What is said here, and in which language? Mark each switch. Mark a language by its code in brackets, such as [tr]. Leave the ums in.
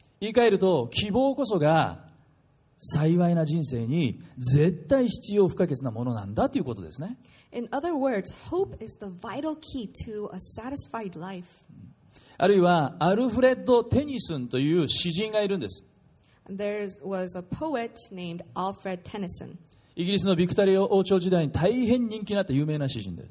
[ja] い換えると希望こそが幸いな人生に絶対必要不可欠なものなんだということですね。 [en] In other words, hope is the vital key to a satisfied life. [ja] あるいはアルフレッド・テニスンという詩人がいるんです。 [en] There was a poet named Alfred Tennyson. [ja] イギリスのビクタリア王朝時代に大変人気なった有名な詩人で